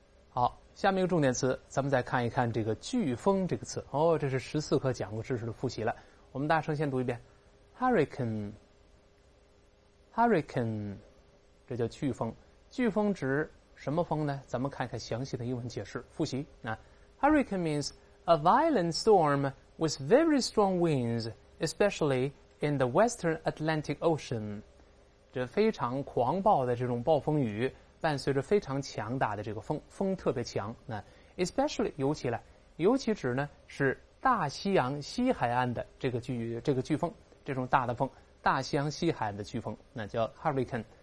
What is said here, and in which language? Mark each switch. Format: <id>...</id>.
<zh>好，下面一个重点词，咱们再看一看这个飓风这个词。哦，这是十四课讲过知识的复习了。我们大声先读一遍 ，hurricane， 这叫飓风。飓风指什么风呢？咱们看一看详细的英文解释。复习啊</zh> <en>，hurricane means a violent storm with very strong winds, especially in the western Atlantic Ocean。</en> <zh>这非常狂暴的这种暴风雨。伴随着非常强大的这个风，风特别强。那 especially 尤其指呢是大西洋西海岸的这个飓风，这种大的风，大西洋西海岸的飓风，那叫 hurricane。</zh>